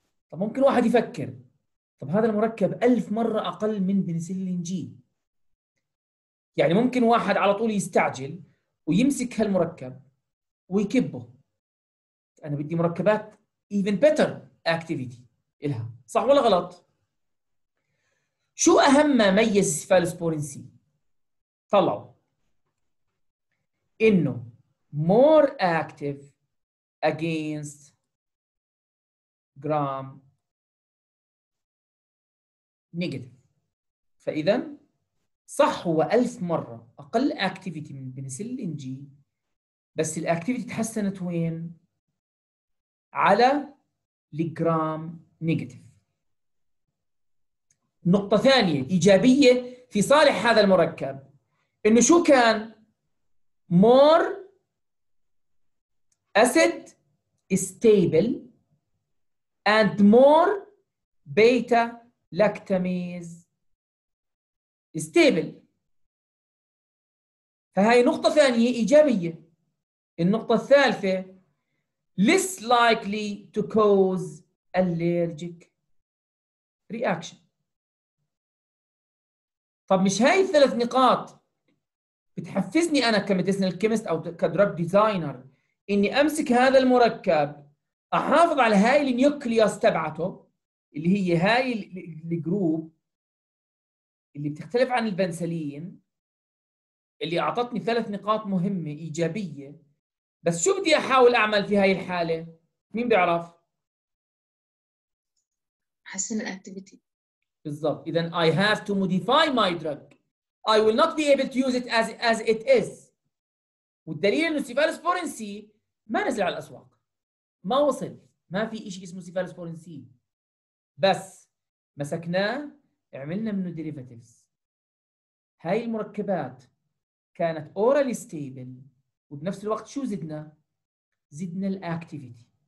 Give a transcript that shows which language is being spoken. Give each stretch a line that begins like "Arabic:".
Arabic: طب ممكن واحد يفكر، طب هذا المركب ألف مرة أقل من بنسلين جي، يعني ممكن واحد على طول يستعجل ويمسك هالمركب ويكبه. أنا بدي مركبات
English: even better activity
Arabic: إلها، صح ولا غلط؟ شو أهم ما ميز السيفالوسبورين سي؟ طلعوا إنه
English: more active against gram negative.
Arabic: فإذا صح هو 1000 مرة أقل activity من البنسلين جي، بس الactivity تحسنت وين؟ على الجرام نيجاتيف. نقطة ثانية إيجابية في صالح هذا المركب، إنه شو كان؟
English: more acid stable and more beta lactamase stable.
Arabic: فهي نقطة ثانية إيجابية. النقطة الثالثة
English: less likely to cause allergic reaction.
Arabic: طب مش هاي الثلاث نقاط بتحفزني أنا كميديسينال كيمست أو كدرج ديزاينر إني أمسك هذا المركب أحافظ على هاي النيوكلياس تبعته اللي هي هاي الجروب اللي بتختلف عن البنسلين اللي أعطتني ثلاث نقاط مهمة إيجابية، بس شو بدي أحاول أعمل في هاي الحالة؟ مين بيعرف؟ حسن الأكتيفيتي. بالضبط. إذن
English: I have to modify my drug. I will not be able to use it as it is.
Arabic: والدليل إنه سيفالوسبورين سي ما نزل على الأسواق، ما وصل، ما في إشي اسمه سيفالوسبورين سي، بس مسكناه عملنا منه ديريفاتيفز. هاي المركبات كانت أورالي ستيبل، وبنفس الوقت شو زدنا؟ زدنا الاكتيفيتي.